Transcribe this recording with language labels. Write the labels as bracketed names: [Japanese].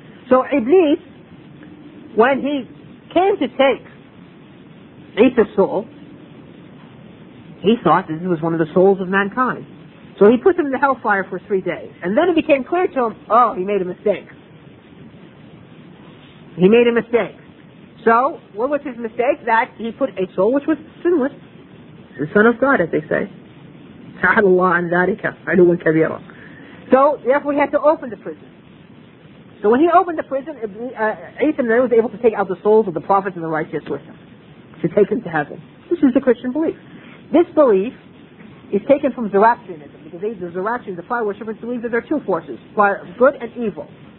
[English] So Iblis, when he came to take Isa's soul, he thought that this was one of the souls of mankind. So he put him in the hellfire for 3 days. And then it became clear to him, oh, he made a mistake. He made a mistake. So what was his mistake? That he put a soul which was sinless, the son of God, as they say. [Arabic] تَعَالَ اللَّهُ عَنْ ذَلِكَ عَلُوًا كَبِيرًا. [English] So therefore he had to open the prison. So when he opened the prison, Isa was able to take out the souls of the prophets and the righteous with him, to take them to heaven. This is the Christian belief. This belief is taken from Zoroastrianism, because the Zoroastrians, the fire worshippers, believe that there are two forces, fire, good and evil.